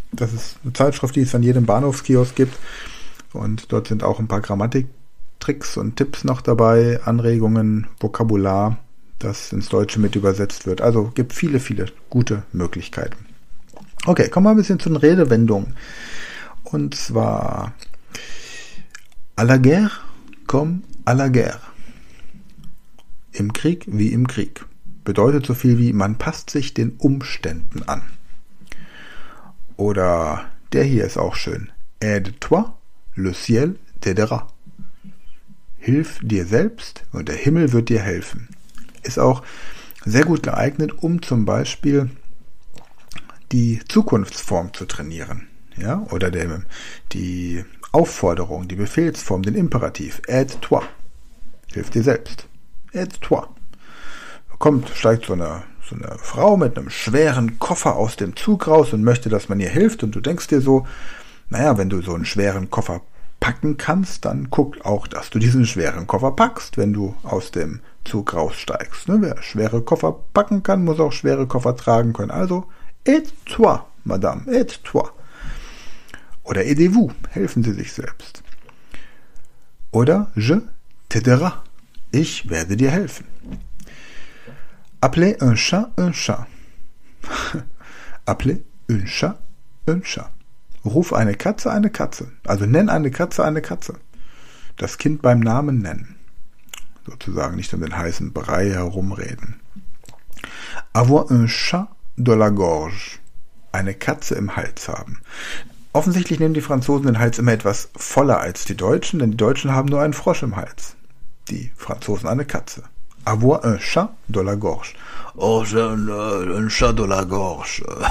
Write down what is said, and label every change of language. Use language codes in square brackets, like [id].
[de] Das ist eine Zeitschrift, die es an jedem Bahnhofskiosk gibt. Und dort sind auch ein paar Grammatiktricks und Tipps noch dabei, Anregungen, Vokabular, das ins Deutsche mit übersetzt wird. Also gibt viele, viele gute Möglichkeiten. Okay, kommen wir ein bisschen zu den Redewendungen. Und zwar [fr] à la guerre, comme à la guerre. [de] Im Krieg wie im Krieg. Bedeutet so viel wie, man passt sich den Umständen an. Oder der hier ist auch schön. [fr] Aide-toi, le ciel t'aidera. [de] Hilf dir selbst und der Himmel wird dir helfen. Ist auch sehr gut geeignet, um zum Beispiel die Zukunftsform zu trainieren. Ja? Oder die Aufforderung, die Befehlsform, den Imperativ. [fr] Aide-toi. [de] Hilf dir selbst. [fr] Aide-toi. [de] Kommt, steigt so eine Frau mit einem schweren Koffer aus dem Zug raus und möchte, dass man ihr hilft. Und du denkst dir so, naja, wenn du so einen schweren Koffer packen kannst, dann guck auch, dass du diesen schweren Koffer packst, wenn du aus dem Zug raussteigst. Ne? Wer schwere Koffer packen kann, muss auch schwere Koffer tragen können. Also, [fr] aide-toi, Madame, aide-toi. [de] Oder [fr] aidez-vous, [de] helfen Sie sich selbst. Oder [fr] je t'aidera, [de] ich werde dir helfen. [fr] Appelez un chat un chat. Appelez un chat un chat. [de] Ruf eine Katze eine Katze. Also nenn eine Katze eine Katze. Das Kind beim Namen nennen. Sozusagen nicht um den heißen Brei herumreden. Avoir un chat de la gorge. Eine Katze im Hals haben. Offensichtlich nehmen die Franzosen den Hals immer etwas voller als die Deutschen, denn die Deutschen haben nur einen Frosch im Hals. Die Franzosen eine Katze. [fr] Avoir un chat de la gorge. Oh, j'ai un chat de la gorge.